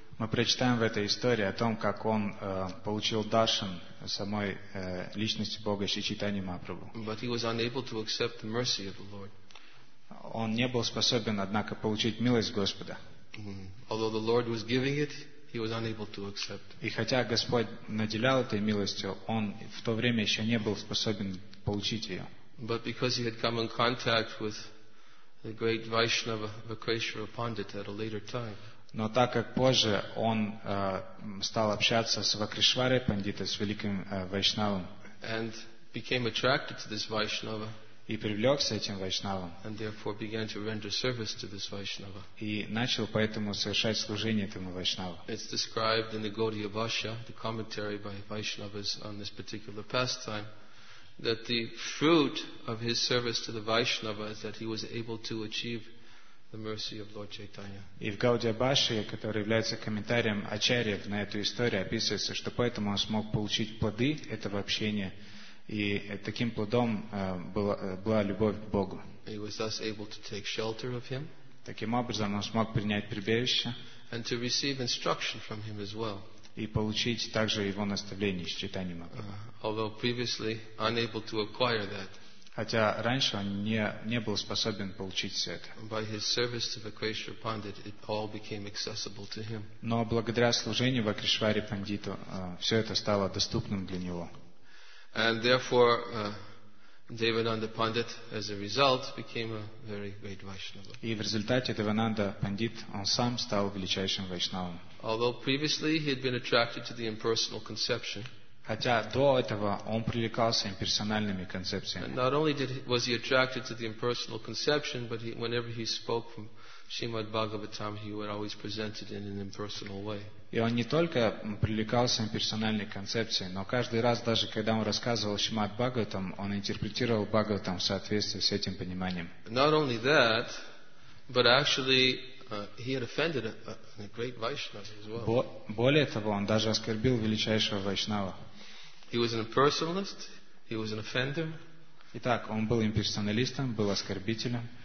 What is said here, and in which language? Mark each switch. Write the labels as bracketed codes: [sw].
[ru] Мы прочитаем в этой истории о том, как он получил даршан самой личности Бога, Шри Чайтаньи Махапрабху. [en] But he was unable to accept the mercy of the Lord. [ru] Он не был способен, однако, получить милость Господа. [en] Although the Lord was giving it, he was unable to accept. [ru] И хотя Господь наделял этой милостью, он в то время еще не был способен получить ее. [en] But because he had come in contact with the great Vaishnava Vakreshwara Pandit at a later time. [ru] Но так как позже он стал общаться с Вакришварой Пандитой, с великим Вайшнавом, [en] and became attracted to this Vaishnava, [ru] и привлекся этим Вайшнавом, [en] and therefore began to render service to this Vaishnava, [ru] и начал поэтому совершать служение этому Вайшнаву. [en] It's described in the Gaudiya Bhashya, the commentary by Vaishnavas on this particular pastime, that the fruit of his service to the Vaishnava is that he was able to achieve the mercy of Lord Chaitanya. [ru] И в Гаудия Бхашье, который является комментарием ачарьев на эту историю, описывается, что поэтому он смог получить плоды этого общения, и таким плодом была любовь к Богу. [en] He was thus able to take shelter of him. [ru] Таким образом он смог принять прибежище. [en] And to receive instruction from him as well. [ru] И получить также его наставление из Чайтаньи Махапрабху. [en] Although previously unable to acquire that. [ru] Хотя раньше он не был способен получить все это. [en] By his service to Vakreshwara Pandit, it all became accessible to him. [ru] Но благодаря служению Вакришваре Пандиту все это стало доступным для него. [en] And therefore, Devananda Pandit, as a result, became a very great Vaishnava. [ru] И в результате Девананда Пандит он сам стал величайшим Вайшнавом. [en] Although previously he had been attracted to the impersonal conception. [ru] Хотя до этого он привлекался имперсональными концепциями. [en] Not only was he attracted to the impersonal conception, but whenever he spoke from Srimad Bhagavatam, he would always present it in an impersonal way. [ru] И он не только привлекался имперсональной концепцией, но каждый раз, даже когда он рассказывал Шримад Бхагаватам, он интерпретировал Бхагаватам в соответствии с этим пониманием. [en] Not only that, but actually he had offended a great Vaishnava as well. [ru] Более того, он даже оскорбил величайшего Вайшнава. [en] He was an impersonalist, he was an offender. [ru] Итак, он был имперсоналистом, был оскорбителем.